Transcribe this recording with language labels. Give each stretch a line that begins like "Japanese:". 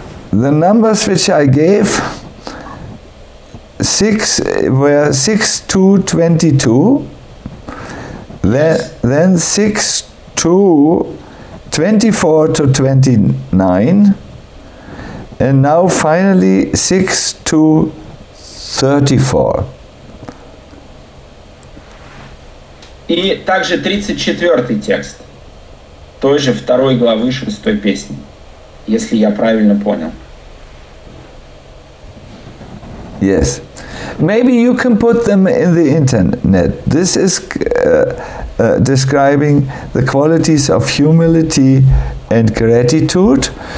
English: The numbers which I gave, 6 were 6 to 22, then 6 to 24 to 29, and now finally 6 to 34.
Russian: И также 34-й текст, той же второй главы 6-й песни, если я правильно понял.
English: Yes. Maybe you can put them in the internet. This is describing the qualities of humility and gratitude.